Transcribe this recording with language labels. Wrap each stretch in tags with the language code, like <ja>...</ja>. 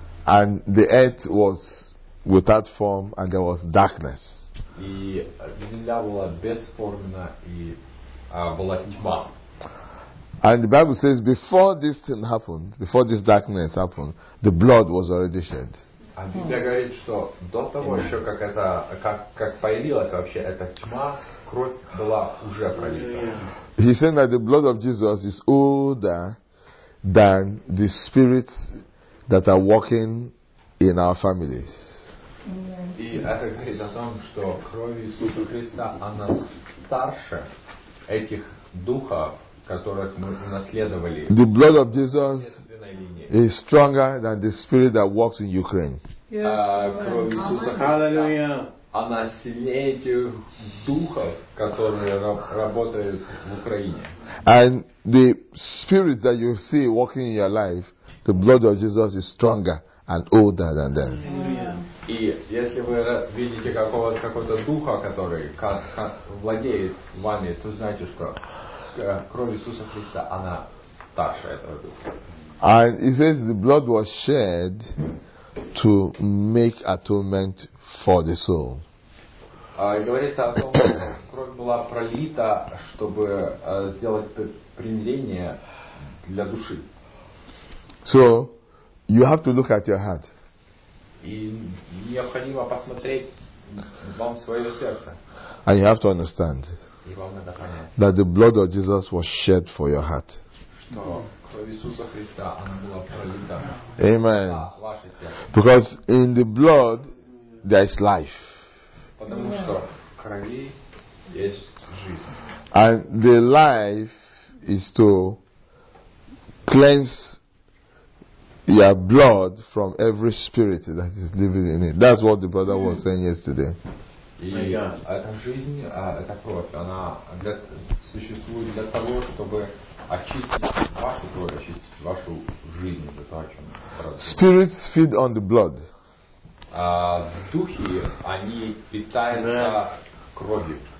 <en>And the earth was without form, and there was darkness.</en> <ru>И земля была бесформенна, и была тьма.</ru> <en>And the Bible says, before this thing happened, before this darkness happened, the blood was already shed.</en> <ru>А Библия говорит, что до того, еще как появилась вообще эта тьма, кровь была уже пролита.</ru> <en>He said that the blood of Jesus is older than the spirits that are walking in our families.</en> <ru>И это говорит о том, что кровь Иисуса Христа, она старше этих духов, которых мы унаследовали.</ru> <en>The blood of Jesus is stronger than the spirit that walks in Ukraine.</en> <ru>Кровь Иисуса Христа, она сильнее тех духов, которые работают в Украине.</ru> <en>And the spirit that you see walking in your life, the blood of Jesus is stronger and older than them.</en> <ru>И если вы видите какого-то духа, который владеет вами, то знаете, что кровь Иисуса Христа, она старше этого духа.</ru> <en>And it says the blood was shed to make atonement for the soul.</en> <ru>Говорится о том, кровь была пролита, чтобы сделать примирение для души.</ru> <en>So, you have to look at your heart.</en> <ru>И необходимо посмотреть вам в свое сердце.</ru> <en>And you have to understand that the blood of Jesus was shed for your heart.</en> <ru>Что кровь Иисуса Христа, она была пролита.</ru> <en>Amen. Because in the blood there is life.</en> <ru>Потому что крови есть жизнь.</ru> <en>And the life is to cleanse your blood from every spirit that is living in it. That's what the brother was saying yesterday.</en> <ru>Эта жизнь, эта кровь, она существует для того, чтобы очистить вашу кровь, очистить вашу жизнь.</ru> <en>Spirits feed on the blood.</en> <ru>Духи, они питаются кровью.</ru>